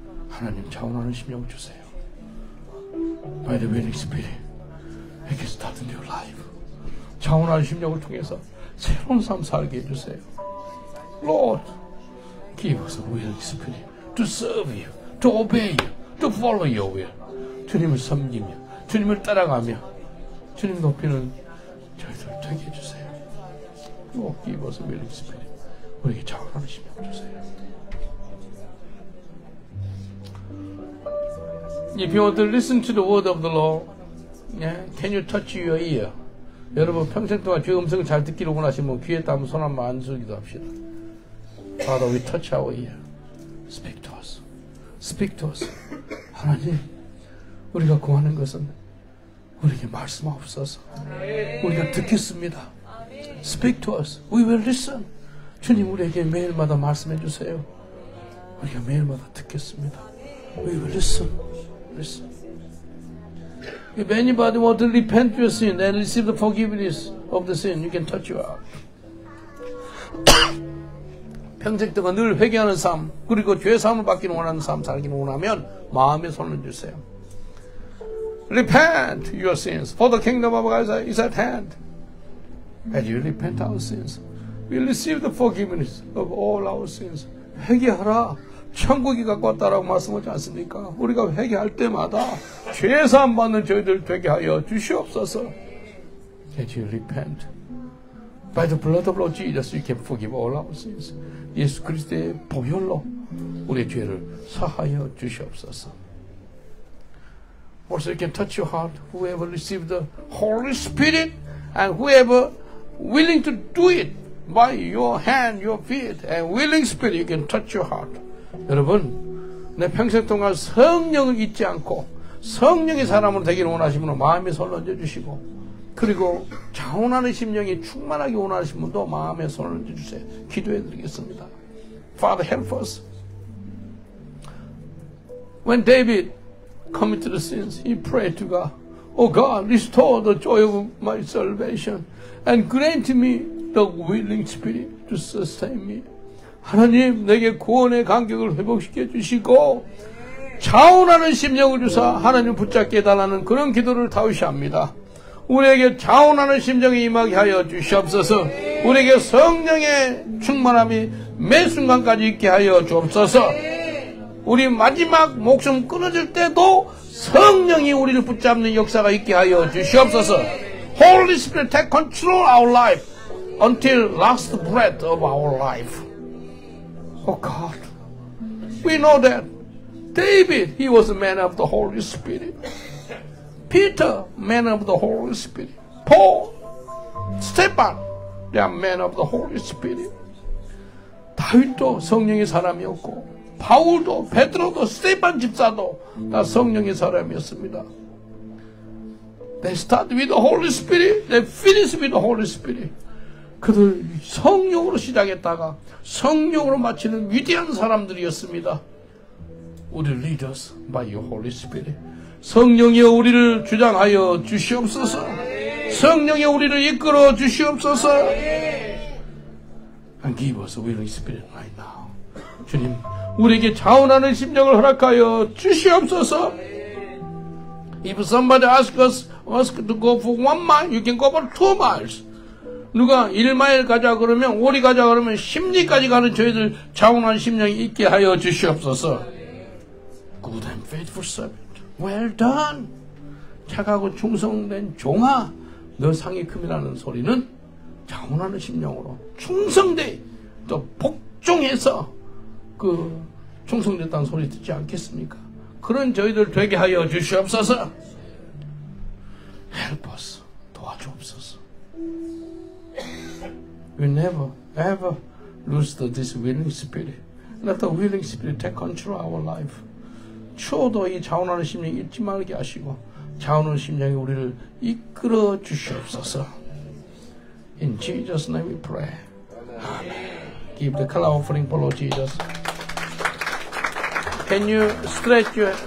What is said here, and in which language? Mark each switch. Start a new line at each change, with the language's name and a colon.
Korean: 하나님 자원하는 심령을 주세요.
English: By the willing spirit, we can start a new life.
Korean: 자원하는 심령을 통해서 새로운 삶 살게 해주세요.
English: Lord, give us a willing spirit to serve you, to obey you, to follow your will.
Korean: 주님을 섬기며, 주님을 따라가며, 주님 높이는 저희들 되게 해주세요.
English: Lord, give us a willing spirit.
Korean: 우리에게 자원하는 심령 주세요. 이 병원들,
English: listen to the word of the Lord. Yeah? Can you touch your ear?
Korean: 여러분, 평생 동안 주의 음성을 잘 듣기로 원하시면 귀에 담은 손 한번 안수기도 합시다.
English: Father, we touch our ear. Speak to us. Speak to us.
Korean: 하나님, 우리가 구하는 것은 우리에게 말씀하옵소서. 우리가 듣겠습니다.
English: Speak to us. We will listen.
Korean: 주님, 우리에게 매일마다 말씀해 주세요. 우리가 매일마다 듣겠습니다.
English: We will listen. If anybody wants to repent your sin and receive the forgiveness of the sin, you can touch your heart.
Korean: 평생 동안 늘 회개하는 삶, 그리고 죄사함을 받기를 원하는 삶, 살기를 원하면 마음에 손을 주세요.
English: Repent your sins, for the kingdom of God is at hand. As you repent our sins, we receive the forgiveness of all our sins.
Korean: 회개하라. 천국이 갖고 왔다라고 말씀하지 않습니까? 우리가 회개할 때마다 죄사함 받는 저희들 되게 하여 주시옵소서.
English: As you repent, by the blood of Lord Jesus, you can forgive all our sins.
Korean: 예수 그리스도의 보혈로 우리의 죄를 사하여 주시옵소서.
English: Also, you can touch your heart. Whoever received the Holy Spirit and whoever willing to do it by your hand, your feet, and willing spirit, you can touch your heart.
Korean: 여러분, 내 평생 동안 성령을 잊지 않고 성령의 사람으로 되기를 원하신 분은 마음에 손을 얹어주시고, 그리고 자원하는 심령이 충만하게 원하신 분도 마음에 손을 얹어주세요. 기도해 드리겠습니다.
English: Father, help us. When David committed the sins, he prayed to God, Oh God, restore the joy of my salvation and grant me the willing spirit to sustain me.
Korean: 하나님, 내게 구원의 감격을 회복시켜 주시고 자원하는 심령을 주사 하나님 붙잡게 해달라는 그런 기도를 다윗이 합니다. 우리에게 자원하는 심령이 임하게 하여 주시옵소서. 우리에게 성령의 충만함이 매 순간까지 있게 하여 주옵소서. 우리 마지막 목숨 끊어질 때도 성령이 우리를 붙잡는 역사가 있게 하여 주시옵소서.
English: Holy Spirit, take control our life until last breath of our life. Oh God, we know that David, he was a man of the Holy Spirit. Peter, man of the Holy Spirit. Paul, Stephen, they are men of the Holy Spirit.
Korean: 다윗도 성령의 사람이었고, 바울도, 베드로도, 스테판 집사도 다 성령의 사람이었습니다.
English: They start with the Holy Spirit, they finish with the Holy Spirit.
Korean: 그들 성령으로 시작했다가 성령으로 마치는 위대한 사람들이었습니다. 우리를
English: lead us by your Holy Spirit.
Korean: 성령이여 우리를 주장하여 주시옵소서. 성령이여 우리를 이끌어 주시옵소서.
English: And give us a willing spirit right now.
Korean: 주님, 우리에게 자원하는 심령을 허락하여 주시옵소서.
English: If somebody asks to go for 1 mile, you can go for 2 miles.
Korean: 누가 1마일 가자 그러면, 오리 가자 그러면 10리까지 가는 저희들 자원한 심령이 있게 하여 주시옵소서.
English: Good and faithful servant. Well done.
Korean: 착하고 충성된 종아, 너 상이 큼이라는 소리는 자원하는 심령으로 충성돼 또 복종해서 그 충성됐다는 소리 듣지 않겠습니까? 그런 저희들 되게 하여 주시옵소서.
English: Help us.
Korean: 도와주옵소서.
English: We never ever lose this willing spirit. Let the willing spirit take control of our life.
Korean: 추워도 이 자원하는 심령이 잃지 말게 하시고 자원하는 심령이 우리를 이끌어 주시옵소서.
English: In Jesus' name we pray. Amen. Give the color offering for Lord Jesus. Can you stretch your hand?